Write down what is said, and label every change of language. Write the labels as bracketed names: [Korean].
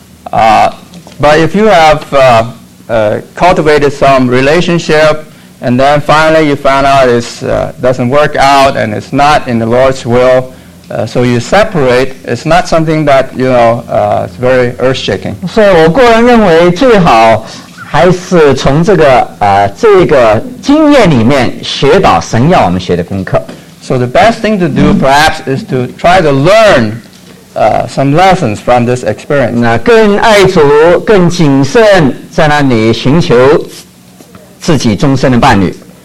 [English] But if you have cultivated some relationship and then finally you find out it doesn't work out and it's not in the Lord's will, so you separate, it's not something that, you know, it's very earth-shaking. [Chinese] 所以我个人认为最好还是从这个经验里面学到神要我们学的功课。 [English] So the best thing to do, perhaps, is to try to learn some lessons from this experience. [Chinese] 那更爱主，更谨慎，在那里寻求自己终身的伴侣。